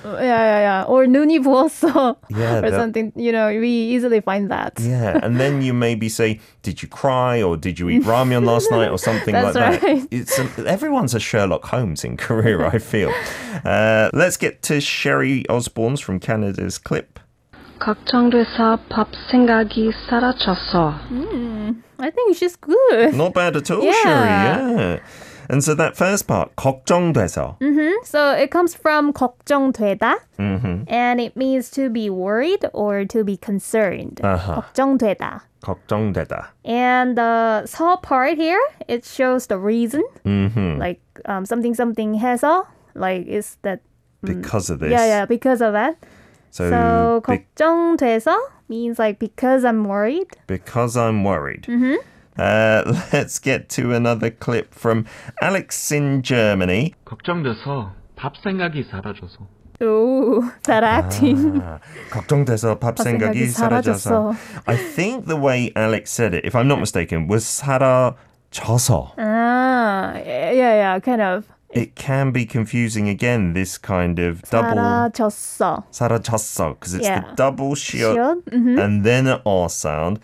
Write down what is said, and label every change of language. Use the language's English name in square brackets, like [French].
[English] Yeah. Or [Korean] 눈이 부었어. [English] Yeah, or something, you know, we easily find that. Yeah, and then you maybe say, did you cry or did you eat ramen last night or something That's like right. that. It's everyone's a Sherlock Holmes in Korea, I feel. Let's get to Sherry Osborne's from Canada's clip. [Korean] 걱정돼서 밥 생각이 사라졌어. [English] I think she's good. Not bad at all, yeah. Sherry, yeah. And so that first part, 걱정돼서. Mm-hmm. So it comes from 걱정되다. Mm-hmm. And it means to be worried or to be concerned. Uh-huh. [Korean] 걱정되다. 걱정되다. [English] And the 서 part here, it shows the reason. Mm-hmm. Like something 해서. Like is that... Because of this. Yeah, because of that. So 걱정돼서 means like because I'm worried. Because I'm worried. Mm-hmm. Let's get to another clip from Alex in Germany. [Korean] 걱정돼서 밥 생각이 사라져서. [English] Ooh, that acting. [Korean] 걱정돼서 밥 생각이 사라져서. [English] I think the way Alex said it, if I'm not mistaken, was 사라져서. Kind of. It can be confusing again, this kind of double... [Korean] 사라졌어. [English] 사라졌어, because it's the double 시옷 mm-hmm. and then an R sound.